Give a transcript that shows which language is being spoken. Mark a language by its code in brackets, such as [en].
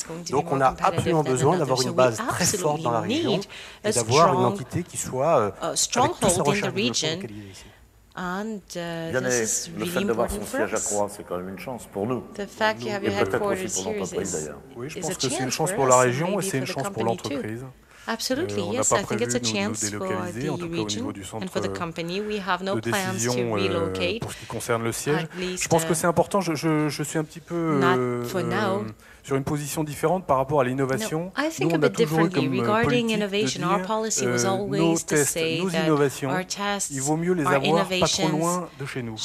[fr] Donc on a absolument besoin d'avoir une base très forte dans la région et d'avoir une entité qui soit avec toute sa recherche de développement localisée ici. Le fait d'avoir son siège à Croix, c'est quand même une chance pour nous. Et peut-être aussi pour l'entreprise d'ailleurs. Oui, je pense que c'est une chance pour la région et c'est une chance pour l'entreprise. [en] Absolutely, yes. I think it's a chance for the region and for the company. We have no plans to relocate. [fr] Pour ce qui concerne le siège, je pense que c'est important. Je suis un petit peu sur une position différente par rapport à l'innovation. Nous, on a toujours eu comme politique de dire nos tests, nos innovations, il vaut mieux les avoir pas trop loin de chez nous.